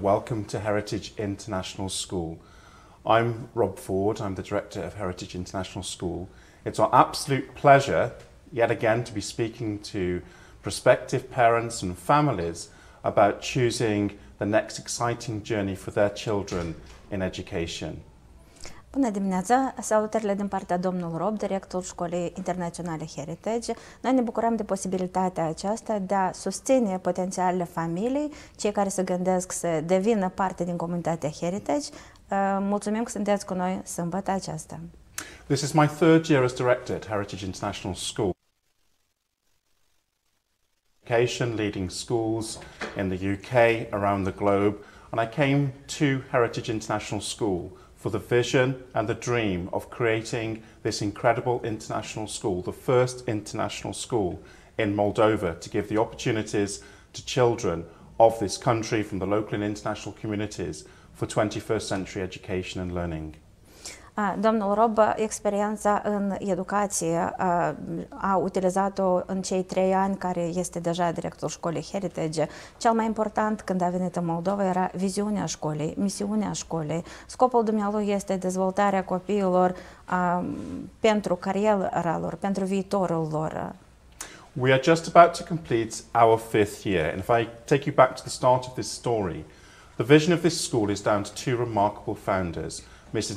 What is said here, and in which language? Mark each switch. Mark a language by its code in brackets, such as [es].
[en] Welcome to Heritage International School. I'm Rob Ford, I'm the director of Heritage International School. It's our absolute pleasure, yet again, to be speaking to prospective parents and families about choosing the next exciting journey for their children in education. [ro] Bună dimineața! Salutările din partea domnului Rob, director Școlii Internaționale Heritage. Noi ne bucurăm de posibilitatea aceasta de a susține potențialele familii, cei care se gândesc să devină parte din comunitatea Heritage. Mulțumim că sunteți cu noi sâmbătă aceasta. [en] This is my third year as director at Heritage International School. Education, leading schools in the UK, around the globe. And I came to Heritage International School for the vision and the dream of creating this incredible international school, the first international school in Moldova, to give the opportunities to children of this country from the local and international communities for 21st century education and learning. [ro] Domnul Rob, experiența în educație a utilizat-o în cei 3 ani care este deja director școlii Heritage. Cel mai important când a venit în Moldova era viziunea școlii, misiunea școlii. Scopul dumnealui este dezvoltarea copiilor pentru cariera lor, pentru viitorul lor. [en] We are just about to complete our fifth year. And if I take you back to the start of this story, the vision of this school is down to two remarkable founders, Mrs.